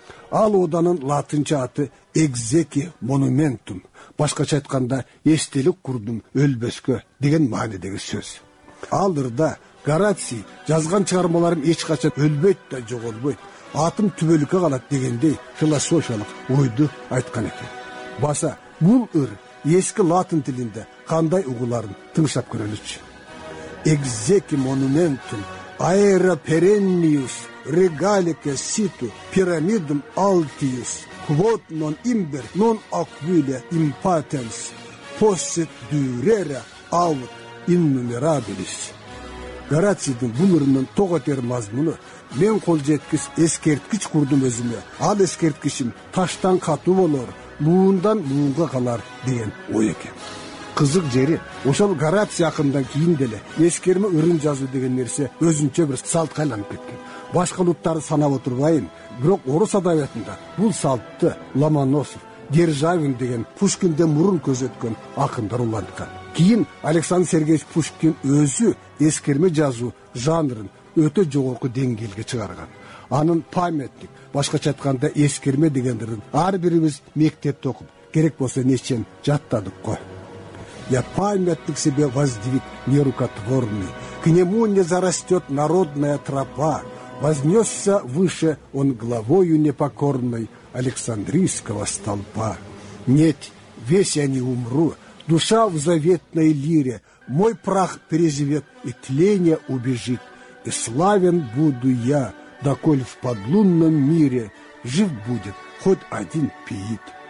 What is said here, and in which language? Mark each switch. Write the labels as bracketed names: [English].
[Kyrgyz] Ал оданын латынча аты экзеки монументум, башкача айтканда эстелик курдум өлбөскө деген маанидеги сөз. Ал ырда Гораций жазган чыгармаларым эч качан өлбөйт да жоголбойт, атым түбөлүккө калат дегендей философиялык ойду айткан экен. Баса бул ыр эски латын тилинде кандай угуларын тыңшап көрөлүчү. [Latin] Экзеки монументум аэра перенниус регалике ситу пирамидум алтиус квот нон имбер нон аквиле импатенс поссет дюрера аут иннумерабилис. [Kyrgyz] Гораций бул ырынын тоого тер мазмуну мен кол жеткис эскерткич курдум өзүмө, ал эскерткишим таштан катуу болор, муундан муунга калар деген ой экен. Кызык жери ошол Гораций акындан кийин деле эскерме ырын жазуу деген нерсе өзүнчө бир салтка айланып кеткен. Башка улуттарды санап отурбайын, бирок орус адабиятында бул салтты Ломоносов, Державин деген Пушкинден мурун көзөткөн акындар уланткан. Кийин Александр Сергеевич Пушкин өзү эскерме жазуу жанрын өтө жогорку деңгээлге чыгарган. Анын памятник, башкача айтканда эскерме дегендерин ар бирибиз мектепте окуп, керек болсо нечен жаттадык го. [Russian] Я памятник себе воздвиг не рукотворный, к нему не зарастет народная тропа, вознесся выше он главою непокорной Александрийского столпа. Нет, весь я не умру, душа в заветной лире, мой прах перезвет и тление убежит, и славен буду я, доколь в подлунном мире жив будет хоть один пиит.